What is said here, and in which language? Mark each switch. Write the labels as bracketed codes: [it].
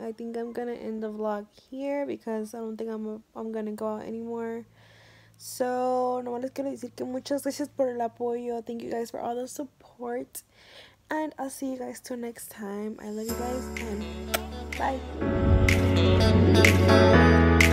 [en] I think I'm gonna end the vlog here because I don't think I'm gonna go out anymore. [es] So no más les quiero decir que muchas gracias por el apoyo. [en] Thank you guys for all the support, and I'll see you guys till next time. I love you guys and bye.